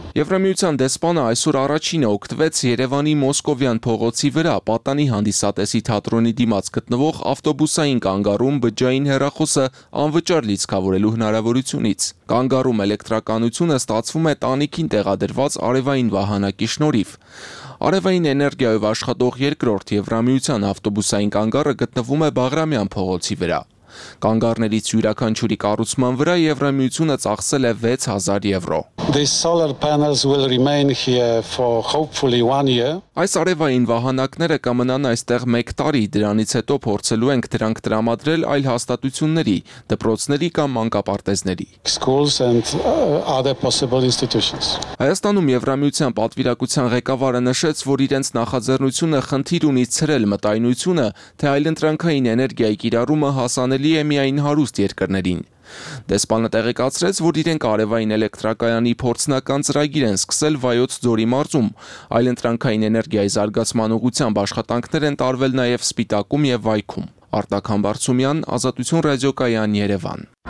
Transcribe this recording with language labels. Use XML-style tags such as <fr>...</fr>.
<hy>Եվրամիության դեսպանը այսօր առաջինը օգտվեց Երևանի Մոսկովյան փողոցի վրա պատանի հանդիսատեսի թատրոնի դիմաց գտնվող ավտոբուսային կանգառում բջջային հեռախոսը անվճար լիցքավորելու հնարավորությունից։ Կանգառում էլեկտրականությունը ստացվում է տանիքին տեղադրված արևային վահանակի շնորհիվ։ Արևային էներգիայով աշխատող երկրորդ Եվրամիության ավտոբուսային կանգառը գտնվում է Բաղրամյան փողոցի վրա։ Կանգառներից յուրաքանչյուրի կառուցման վրա Եվրամիությունը ծախսել է 6000 եվրո։</hy> <en>These solar panels will remain here for hopefully 1 year.</en> <hy>Այս արևային վահանակները կմնան այստեղ 1 տարի, դրանից հետո փորձելու ենք դրանք տրամադրել այլ հաստատությունների, դպրոցների կամ մանկապարտեզների.</hy> <en>Schools and other possible institutions.</en> <hy>Հայաստանում Եվրամիության պատվիրակության ղեկավարը նշեց, որ իրենց նախաձեռնությունը խնդիր ունի ցրել մտայնությունը, թե այլընտրանքային էներգիայի կիրառումը հասանելի է միայն հարուստ երկրներին։ Դեսպանը տեղեկացրեց, որ իրենք արևային էլեկտրակայանի փորձնական ծրագիր են սկսել Վայոց ձորի մարզում, այլընտրանքային էներգիայի զարգացման ուղղությամբ աշխատանքներ են տարվել նաև Սպիտակում և Վայքում։ Արտակ Համբարձումյան, Ազատություն ռադիոկայան, Երևան։</hy>